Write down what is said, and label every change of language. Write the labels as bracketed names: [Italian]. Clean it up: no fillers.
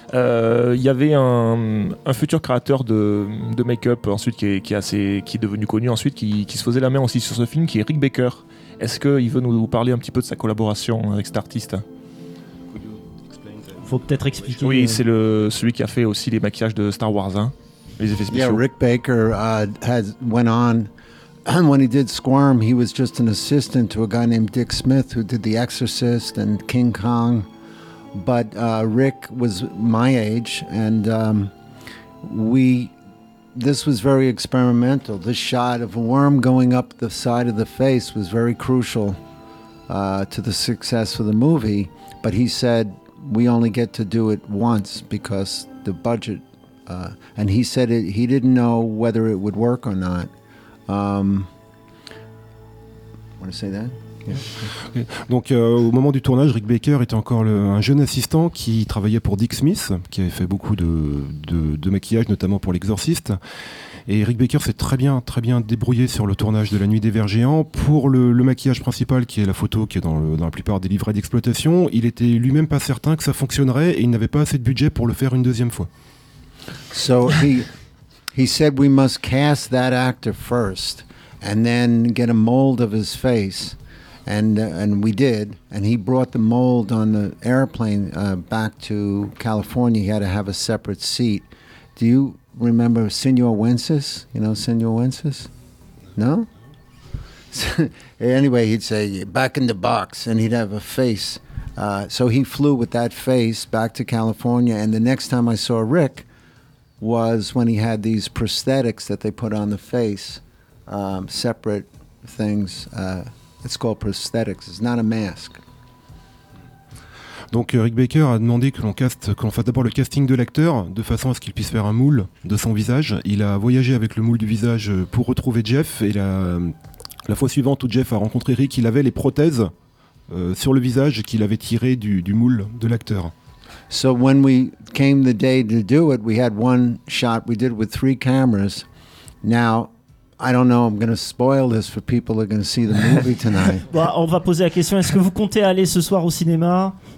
[French] Il y avait un futur créateur de make-up ensuite qui est devenu connu ensuite, qui se faisait la main aussi sur ce film, qui est Rick Baker. Est-ce qu'il veut nous parler un petit peu de sa collaboration avec cet artiste ? Faut peut-être expliquer. Oui, c'est celui qui a fait aussi les maquillages de Star Wars, hein, les effets spéciaux. [English] Yeah, Rick Baker went on. And when he did Squirm, he was just an assistant to a guy named Dick Smith, who did The Exorcist and King Kong. But Rick was my age, and this was very experimental. This shot of a worm going up the side of the face was very crucial to the success of the movie. But he said, we only get to do it once because the budget. And he said he didn't know whether it would work or not. Want to say that? Yeah. [French] Donc au moment du tournage, Rick Baker était encore un jeune assistant qui travaillait pour Dick Smith, qui avait fait beaucoup de maquillage, notamment pour l'Exorciste. Et Rick Baker s'est très bien débrouillé sur le tournage de La Nuit des Vers Géants. Pour le maquillage principal, qui est la photo qui est dans la plupart des livrets d'exploitation, il était lui-même pas certain que ça fonctionnerait et il n'avait pas assez de budget pour le faire une deuxième fois. [English] So he said we must cast that actor first and then get a mold of his face. And we did. And he brought the mold on the airplane back to California. He had to have a separate seat. Do you remember Senor Wences? You know Senor Wences? No? Anyway, he'd say, back in the box. And he'd have a face. So he flew with that face back to California. And the next time I saw Rick... was when he had these prosthetics that they put on the face, separate things. It's called prosthetics. It's not a mask. [French] Donc Rick Baker a demandé que l'on caste, que l'on fasse d'abord le casting de l'acteur de façon à ce qu'il puisse faire un moule de son visage. Il a voyagé avec le moule du visage pour retrouver Jeff et la fois suivante où Jeff a rencontré Rick, il avait les prothèses sur le visage qu'il avait tiré du moule de l'acteur. [English] So when we came the day to do it, we had one shot. We did it with three cameras. Now I don't know. I'm going to spoil this for people who are going to see the movie tonight. [French] Bah, on va poser la question. Est-ce que vous comptez aller ce soir au cinéma?